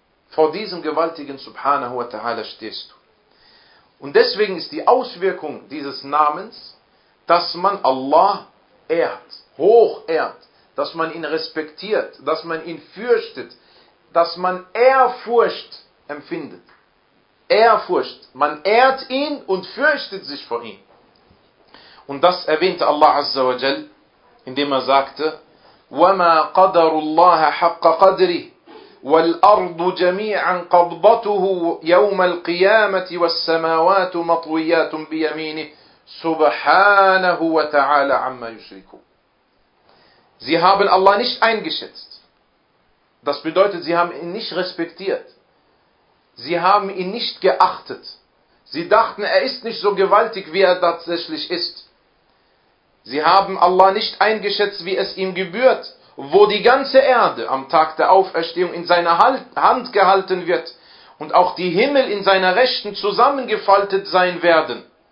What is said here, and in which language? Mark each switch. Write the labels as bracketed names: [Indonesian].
[German] Vor diesem Gewaltigen, subhanahu wa ta'ala, stehst du. Und deswegen ist die Auswirkung dieses Namens, dass man Allah ehrt, hoch ehrt, dass man ihn respektiert, dass man ihn fürchtet, dass man Ehrfurcht empfindet. Ehrfurcht. Man ehrt ihn und fürchtet sich vor ihm. Und das erwähnte Allah Azza wa Jal, indem er sagte, [Arabic] وَمَا قَدَرُ اللَّهَ حَقَّ قَدْرِهِ وَالْأَرْضُ جَمِيعًا قَبْضَتُهُ يَوْمَ الْقِيَامَةِ وَالسَّمَاوَاتُ مَطْوِيَّاتٌ بِيَمِينِهِ سُبْحَانَهُ وَتَعَالَ عَمَّا يُشْرِكُونَ. [German] Sie haben Allah nicht eingeschätzt. Das bedeutet, sie haben ihn nicht respektiert. Sie haben ihn nicht geachtet. Sie dachten, er ist nicht so gewaltig, wie er tatsächlich ist. Sie haben Allah nicht eingeschätzt, wie es ihm gebührt, wo die ganze Erde am Tag der Auferstehung in seiner Hand gehalten wird und auch die Himmel in seiner Rechten zusammengefaltet sein werden.